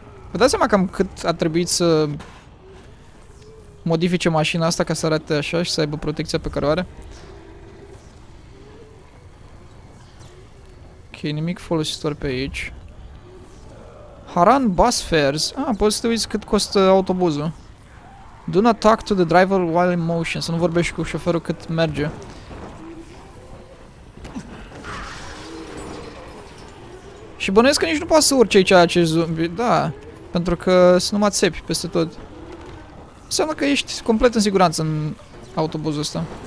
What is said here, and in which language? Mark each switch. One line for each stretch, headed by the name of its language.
Romanian: Vă dați seama cam cât a trebuit să modifice mașina asta ca să arate așa și să aibă protecția pe care o are? Ok, nimic folositor pe aici. Haran bus fares. Ah, poți să te uiți cât costă autobuzul.
English: Do not talk to the driver while in motion.
Romanian: Să nu vorbești cu șoferul cât merge. Și bănuiesc că nici nu poate să urce aici acest zombie. Da. Pentru că sunt numai țepi peste tot. Înseamnă că ești complet în siguranță în autobuzul ăsta.